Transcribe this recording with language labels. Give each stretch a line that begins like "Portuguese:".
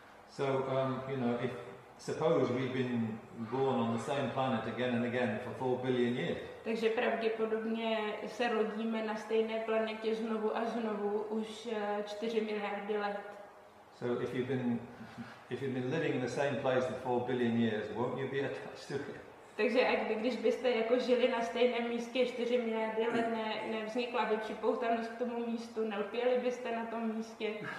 English: So, you know, if suppose we've been born on the same planet again and again for 4 billion years.
Czech: Takže pravděpodobně se rodíme na stejné planetě znovu a znovu už 4 miliardy let.
English: So if you've been living in the same place for 4 billion years, won't you be attached to it?
Czech: Takže jak by, když byste jako žili na stejném místě 4 miliardy let, ne, nevznikla by připoutanost k tomu místu, nelpěli byste na tom místě?